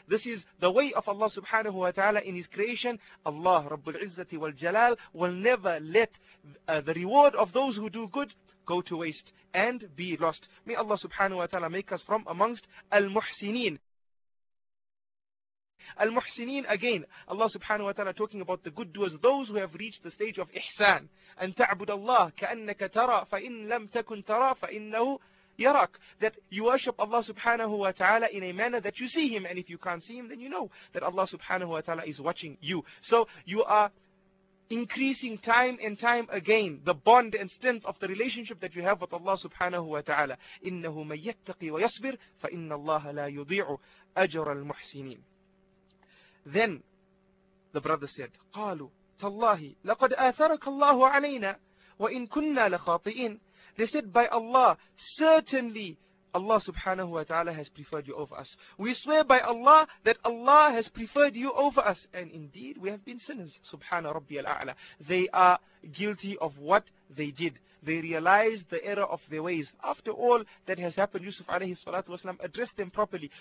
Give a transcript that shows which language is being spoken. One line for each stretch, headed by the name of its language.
English: This is the way of Allah subhanahu wa ta'ala in His creation. Allah Rabbul Izzati wal Jalal will never let the reward of those who do good go to waste and be lost. May Allah subhanahu wa ta'ala make us from amongst al-muhsineen. Al-muhsineen again, Allah subhanahu wa ta'ala talking about the good doers, those who have reached the stage of ihsan.
Arabic: أن تعبد الله كأنك ترى فإن لم تكن ترى فإنه يراك.
English: That you worship Allah subhanahu wa ta'ala in a manner that you see Him, and if you can't see Him, then you know that Allah subhanahu wa ta'ala is watching you. So you are increasing time and time again the bond and strength of the relationship that you have with Allah subhanahu wa ta'ala.
Arabic: إنه من يتقي ويصبر فإن الله لا يضيع أجر المحسنين.
English: Then the brother said,
Arabic: قالوا تالله لقد آثرك الله علينا وإن كنا لخاطئين.
English: They said, by Allah, certainly Allah subhanahu wa ta'ala has preferred you over us. We swear by Allah that Allah has preferred you over us. And indeed, we have been sinners.
Arabic: Subhana rabbi al-a'la.
English: They are guilty of what they did. They realized the error of their ways. After all that has happened, Yusuf alayhi salatu wasalam addressed them properly.